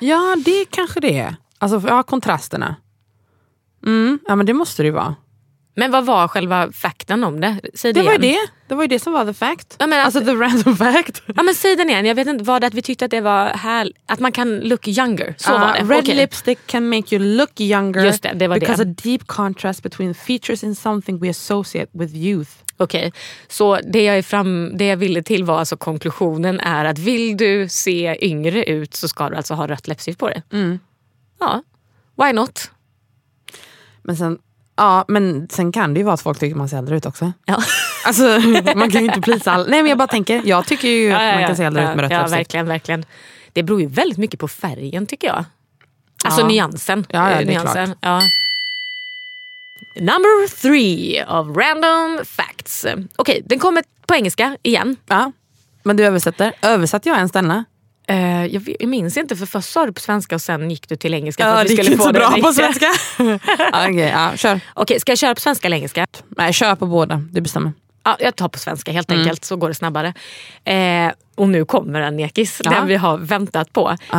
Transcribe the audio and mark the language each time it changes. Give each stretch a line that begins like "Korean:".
Swedish: Ja, det kanske det är. Alltså, ja, kontrasterna. Mm. Ja, men det måste det ju vara. Men vad var själva fakten om det? Säg det var ju det. Det var ju det som var the fact. Ja, men alltså
English: the random fact.
Swedish: Ja, men säg den igen. Jag vet inte, var det att vi tyckte att det var här att man kan
English: look younger.
Swedish: Så var det.
English: Red lipstick can make you look younger.
Swedish: Just det, det var
English: because
Swedish: det.
English: Because a deep contrast between features in something we associate with youth.
Swedish: Okej, okay. Så det jag är fram, det jag ville till var alltså konklusionen är att vill du se yngre ut så ska du alltså ha rött läppstift på dig. Mm.
English: Ja, why not?
Swedish: Men sen... Ja, men sen kan det ju vara att folk tycker man ser äldre ut också. Ja. Alltså, man kan ju inte plisa all... Nej, men jag bara tänker. Jag tycker ju att man kan se äldre ut med rött läppstift. Ja, verkligen, verkligen. Det beror ju väldigt mycket på färgen, tycker jag. Alltså, nyansen. Ja, ja, det är nyansen. Klart. Ja.
English: Number three of random facts.
Swedish: Okej, den kommer på engelska igen. Ja, men du översätter. Översatte jag ens denna? Jag minns inte, för först sa du på svenska och sen gick du till engelska. Ja, för att det gick skulle inte få så bra på svenska. Okej, ja, kör. Okej, ska jag köra på svenska eller engelska? Nej, kör på båda, du bestämmer. Ja, jag tar på svenska helt enkelt, så går det snabbare. Och nu kommer den, Nekis, den vi har väntat på.